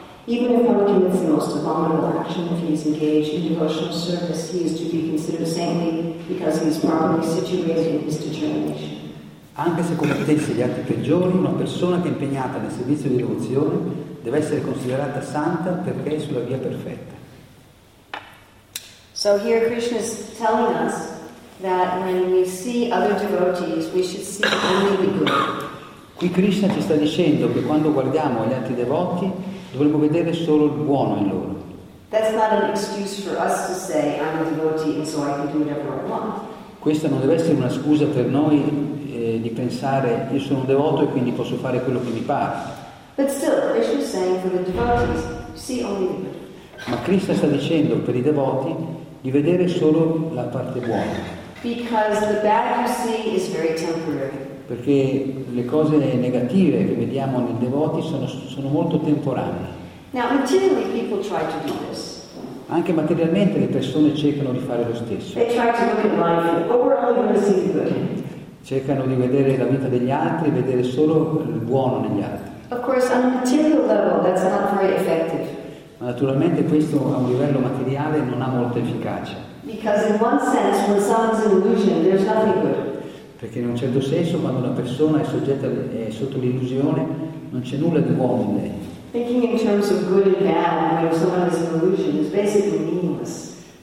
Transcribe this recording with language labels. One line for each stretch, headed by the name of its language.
English: Even if one commits the most abominable action, if he is engaged in devotional service, he is to be considered saintly because he is properly situated in his determination.
Italian: Anche se commettesse gli atti peggiori, una persona che è impegnata nel servizio di devozione deve essere considerata santa perché è sulla via perfetta.
English: So here Krishna is telling us that when we see other devotees, we should see only the good.
Italian: Qui Krishna ci sta dicendo che quando guardiamo gli altri devoti dovremmo vedere solo il buono in loro.
English: That's not an excuse for us to say I'm a devotee and so I can do whatever I want.
Italian: Questa non deve essere una scusa per noi di pensare io sono un devoto e quindi posso fare quello che mi pare.
English: But still, Krishna is saying for the devotees, see only the good.
Italian: Ma Krishna sta dicendo per i devoti di vedere solo la parte buona.
English: Because the bad you see is very temporary.
Italian: Perché le cose negative che vediamo nei devoti sono molto temporanee.
English: Now, materially, people try to do this.
Italian: Anche materialmente le persone cercano di fare lo stesso.
English: They try to look at life, but we're only going to see the good.
Italian: Cercano di vedere la vita degli altri e vedere solo il buono negli altri.
English: Of course, on a material level, that's not very effective.
Italian: Ma naturalmente questo a un livello materiale non ha molta efficacia.
English: Because in one sense, when someone's in illusion, there's nothing good.
Italian: Perché in un certo senso quando una persona è soggetta è sotto l'illusione non c'è nulla di buono in lei.
English: Thinking in terms of good and bad when someone is in illusion is basically meaningless.